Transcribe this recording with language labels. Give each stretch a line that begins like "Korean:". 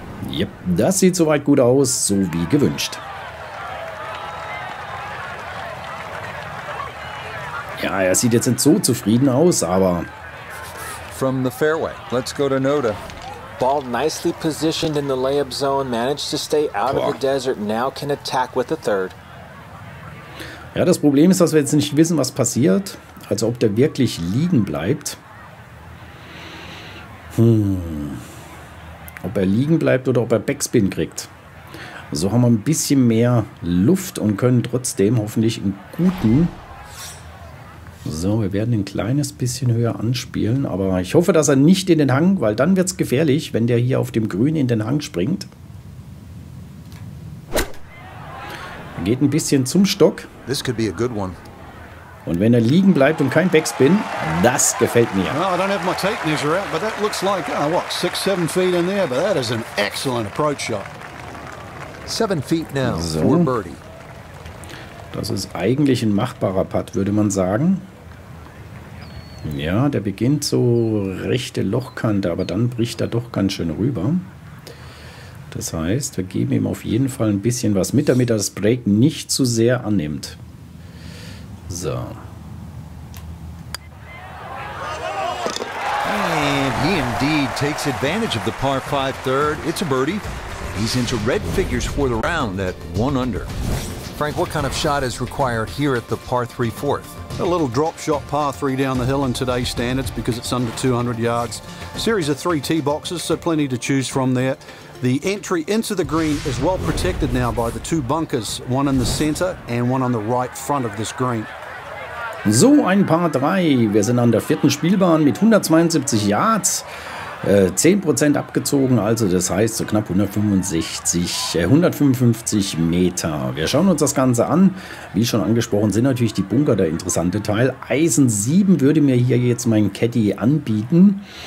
German: Yep, das sieht soweit gut aus, so wie gewünscht. Ja, er sieht jetzt nicht so zufrieden aus, aber...
English: From the fairway, let's go to Noda. Ball nicely positioned in the layup zone, managed to stay out of the desert, now can attack with the third.
German: Ja, das Problem ist, dass wir jetzt nicht wissen, was passiert. Also ob der wirklich liegen bleibt. Ob er liegen bleibt oder ob er Backspin kriegt. So haben wir ein bisschen mehr Luft und können trotzdem hoffentlich einen guten... So, wir werden ein kleines bisschen höher anspielen, aber ich hoffe, dass er nicht in den Hang, weil dann wird es gefährlich, wenn der hier auf dem Grün in den Hang springt. Er geht ein bisschen zum Stock.
English: This could be a good one.
German: Und wenn er liegen bleibt und kein Backspin, das gefällt mir.
English: Well, I don't have my tape measure out, but that looks like, oh, what, 6-7 feet in there, but that is an excellent approach shot. 7 feet now, so. For birdie.
German: Das ist eigentlich ein machbarer Putt, würde man sagen. Ja, der beginnt so rechte Lochkante, aber dann bricht er doch ganz schön rüber. Das heißt, wir geben ihm auf jeden Fall ein bisschen was mit, damit er das Break nicht zu sehr annimmt. So.
English: And he indeed takes advantage of the par 5 third. It's a birdie. He's into red figures for the round at 1 under. Frank, what kind of shot is required here at the par 3 fourth? A little drop shot par 3 down the hill in today's standards because it's under 200 yards. Series of three tee boxes, so plenty to choose from there. The entry into the green is well protected now by the two bunkers, one in the center and one on the right front of this green.
German: So, ein paar 3. Wir sind an der vierten Spielbahn mit 172 Yards. 10% abgezogen, also das heißt so knapp 155 Meter. Wir schauen uns das Ganze an. Wie schon angesprochen, sind natürlich die Bunker der interessante Teil. Eisen 7 würde mir hier jetzt mein Caddy anbieten.